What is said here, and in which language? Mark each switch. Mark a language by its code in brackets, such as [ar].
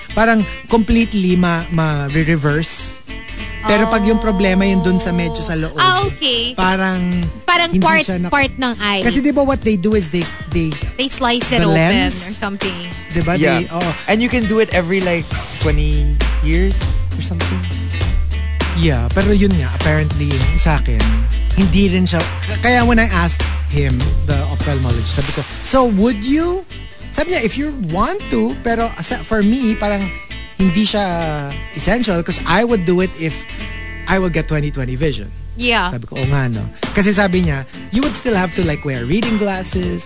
[tl] Parang completely ma-reverse. Pero pag yung problema yun dun sa medyo sa loob. [en] Ah, okay. [tl] Parang part ng eye. Kasi di ba [en] what they do is they slice it open or something. [tl] Di ba? [en] Yeah. Oh. And you can do it every like 20 years or something. [tl] Yeah, pero yun nga, apparently sa akin, hindi rin siya. Kaya [en] when I asked him, the ophthalmologist, [tl] sabi ko, [en] so would you? [tl] Sabi niya, [en] if you want to, pero for me, [tl] parang hindi siya [en] essential because I would do it if I would get 20-20 vision. Yeah. [tl] Sabi ko, nga, no. Kasi sabi niya, [en] you would still have to like wear reading glasses.